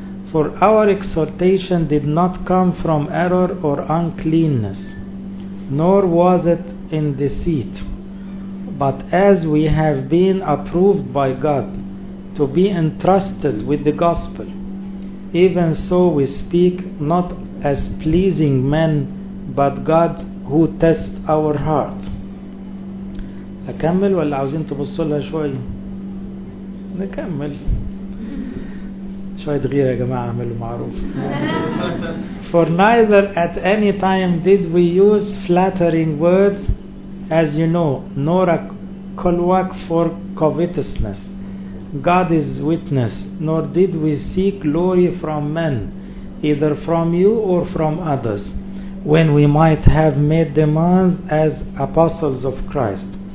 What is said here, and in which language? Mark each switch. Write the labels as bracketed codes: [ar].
[en] For our exhortation did not come from error or uncleanness, nor was it in deceit. But as we have been approved by God to be entrusted with the gospel, even so we speak not as pleasing men, but God who tests our heart. [ar] أكمل ولا عاوزين تبصوا لها شوي؟ نكمل شوية غيرة يا جماعة، عملوا معروف. [en] For neither at any time did we use flattering words, as you know, nor a colloquy for covetousness, God is witness, nor did we seek glory from men, either from you or from others, when we might have made demand as apostles of Christ.